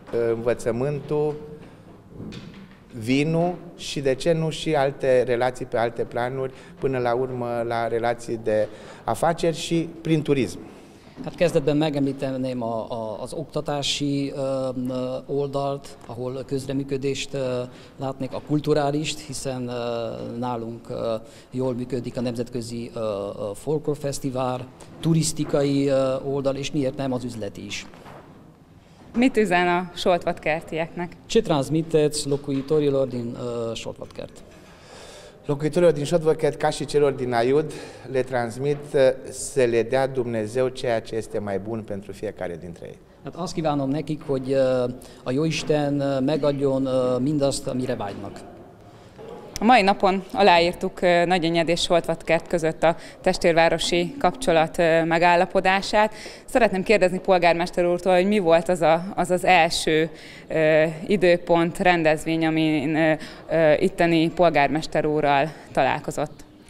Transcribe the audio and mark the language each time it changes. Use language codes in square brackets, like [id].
[ro] învățământul, vinul și, de ce nu, și alte relații pe alte planuri, până la urmă la relații de afaceri și prin turism. [hu] Hát kezdetben megemlíteném az oktatási oldalt, ahol közreműködést látnék, a kulturálist, hiszen nálunk jól működik a Nemzetközi Folklor Fesztivál, turisztikai oldal, és miért nem az üzleti is. Mit üzen a Soltvadkertieknek? [ro] Ce transmiteți locuitorilor din Soltvadkert? Locuitorilor din Șotvăchet, ca și celor din Aiud, le transmit să le dea Dumnezeu ceea ce este mai bun pentru fiecare dintre ei. [hu] Hát azt kívánom nekik, hogy a Jóisten megadjon mindazt, amire vágynak. A mai napon aláírtuk Nagyanyed és Soltvadkert között a testvérvárosi kapcsolat megállapodását. Szeretném kérdezni polgármester úrtól, hogy mi volt az az első időpont, rendezvény, amin itteni polgármester úrral találkozott.